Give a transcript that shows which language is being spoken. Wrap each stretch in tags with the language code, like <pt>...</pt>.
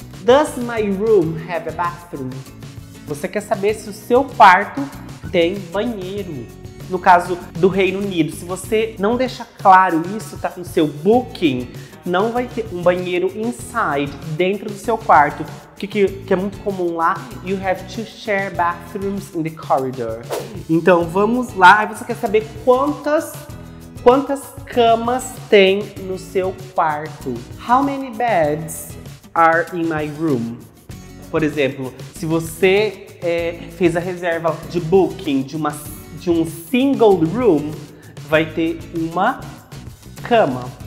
<en>Does my room have a bathroom?</en> <pt>Você quer saber se o seu quarto tem banheiro. No caso do Reino Unido, se você não deixa claro isso, tá no seu booking, não vai ter um banheiro inside, dentro do seu quarto, que é muito comum lá.</pt> <en>You have to share bathrooms in the corridor.</en> <pt>Então vamos lá, aí você quer saber quantas camas tem no seu quarto.</pt> <en>How many beds are in my room?</en> <pt>Por exemplo, se você fez a reserva de booking de um single room, vai ter uma cama.</pt>